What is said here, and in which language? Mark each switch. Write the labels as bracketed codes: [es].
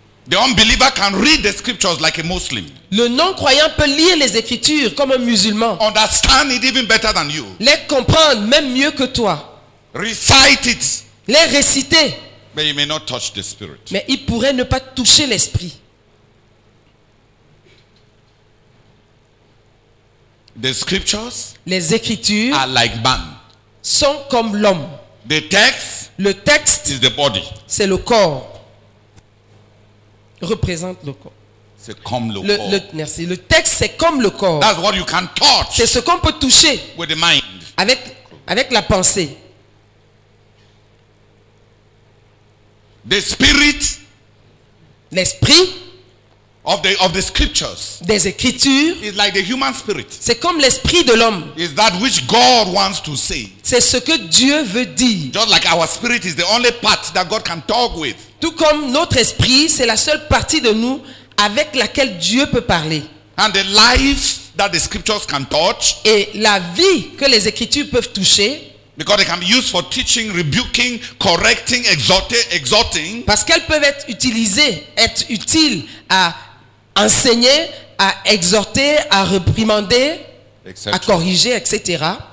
[en] The unbeliever can read the scriptures like a Muslim. [fr] Le non-croyant peut lire les écritures comme un musulman. [en] Understand it even better than you. [fr] Les comprendre même mieux que toi. [en] Recite it. [fr] Les réciter. [en] But he may not touch the spirit. [fr] Mais il pourrait ne pas toucher l'esprit. [en] The scriptures. [fr] Les écritures. [en] Are like man. [fr] sont comme l'homme. [en] The text, [fr] le texte, [en] is the body. [fr] C'est le corps. Représente le corps. C'est comme le corps. Merci. Le texte, c'est comme le corps. [en] That's what you can touch. [fr] C'est ce qu'on peut toucher. [en] With the mind. [fr] Avec la pensée. [en] The spirit. [fr] L'esprit. [en] Of the scriptures. [fr] Des écritures. [en] Is like the human spirit. [fr] C'est comme l'esprit de l'homme. [en] Is that which God wants to say. [fr] C'est ce que Dieu veut dire. [en] Just like our spirit is the only part that God can talk with. [fr] Tout comme notre esprit, c'est la seule partie de nous avec laquelle Dieu peut parler. [en] And the life that the scriptures can touch. [fr] Et la vie que les écritures peuvent toucher. [en] Because they can be used for teaching, rebuking, correcting, exhorting. [fr] Parce qu'elles peuvent être utilisées, être utiles à enseigner, à exhorter, à réprimander, à corriger, etc.